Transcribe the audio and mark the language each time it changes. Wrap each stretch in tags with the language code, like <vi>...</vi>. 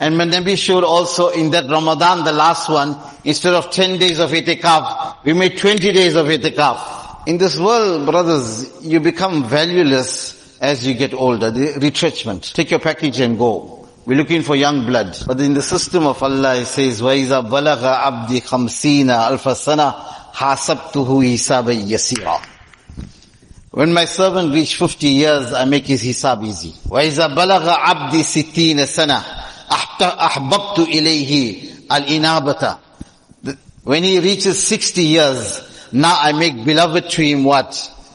<en>And my Nabi showed also in that Ramadan, the last one, instead of 10 days of itikaf, we made 20 days of itikaf. In this world, brothers, you become valueless as you get older. The retrenchment. Take your package and go. We're looking for young blood. But in the system of Allah, it says,</en> <ar>وَإِذَا بَلَغَ عَبْدِ خَمْسِينَ أَلْفَ سَنَةً حَاسَبْتُهُ حِسَابًا يَسِيرًا.</ar> <en>When my servant reached 50 years, I make his hisab easy.</en> <ar>وَإِذَا بَلَغَ عَبْدِي سِتِينَ سَنَةً أَحْبَبْتُ إِلَيْهِ الْإِنَابَةَ.</ar> <en>When he reaches 60 years, now I make beloved to him what?</en>